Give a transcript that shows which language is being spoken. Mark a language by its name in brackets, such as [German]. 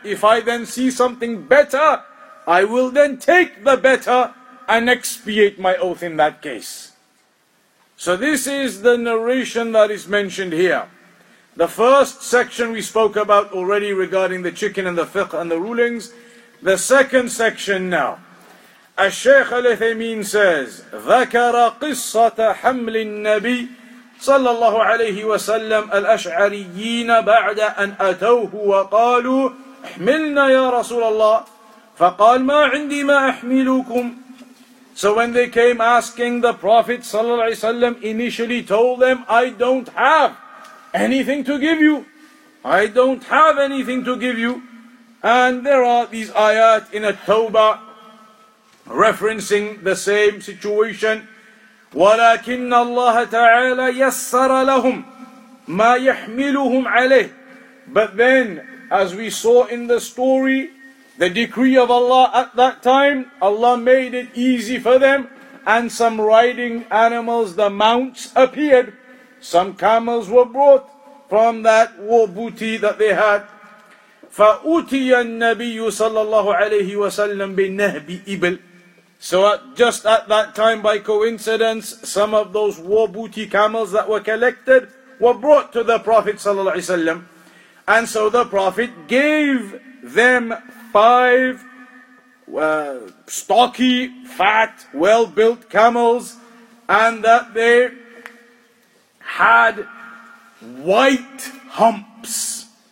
[English] If I then see something better, I will then take the better and expiate my oath in that case. So this is the narration that is mentioned here. The first section we spoke about already regarding the chicken and the fiqh and the rulings. The second section now. [Arabic] الشيخ الثيمين [English] says, [Arabic] ذكر قصة حمل النبي صلى الله عليه وسلم الأشعريين بعد أن أتوه وقالوا احملنا يا رسول الله فقال ما عندي ما أحملكم. [English] So when they came asking, the Prophet [Arabic] صلى الله عليه وسلم [English] initially told them, I don't have anything to give you. I don't have anything to give you. And there are these ayat in At-Tawbah referencing the same situation. [Arabic] ولكن الله تعالى يسر لهم ما يحملهم عليه. [English] But then, as we saw in the story, the decree of Allah at that time, Allah made it easy for them, and some riding animals, the mounts, appeared. Some camels were brought from that war booty that they had. [Arabic] فأتي النبي صلى الله عليه وسلم بنهب إبل. [English] So just at that time, by coincidence, some of those war booty camels that were collected were brought to the Prophet [Arabic] ﷺ. [English] And so the Prophet gave them five stocky, fat, well-built camels, and that they had white humps.